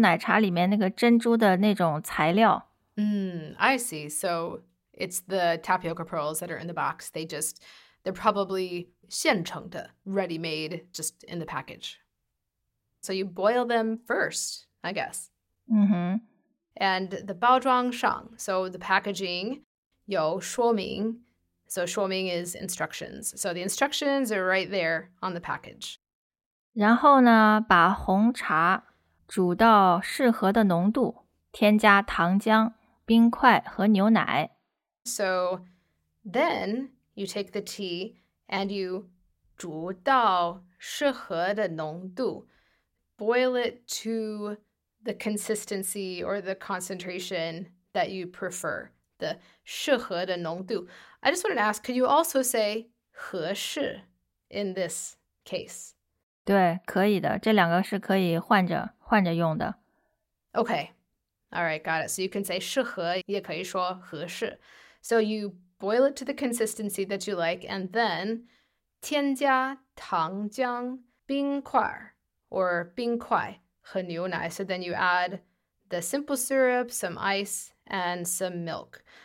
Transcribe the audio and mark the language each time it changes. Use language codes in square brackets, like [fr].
[zh] 就是我觉得是做那个珍珠奶茶里面那个珍珠的那种材料。 [en] I see. So it's the tapioca pearls that are in the box. They're probably 现成的, ready-made, just in the package. So you boil them first, I guess. Mm-hmm. And the 包装上, so the packaging, 有说明, so 说明 is instructions. So the instructions are right there on the package. [zh] 然后呢, 把红茶煮到适合的浓度, 添加糖浆, 冰块和牛奶。 [en] So then you take the tea and you [zh] 煮到适合的浓度, [en] boil it to the consistency or the concentration that you prefer, the 适合的浓度. I just wanted to ask, could you also say 合适 in this case? [zh] 对,可以的,这两个是可以换着用的。 [en] Okay, all right, got it. So you can say 适合, [zh] 也可以说合适. [en] So you boil it to the consistency that you like, and then [zh] 添加糖浆冰块, [en] or 冰块和牛奶. So then you add the simple syrup, some ice, and some milk.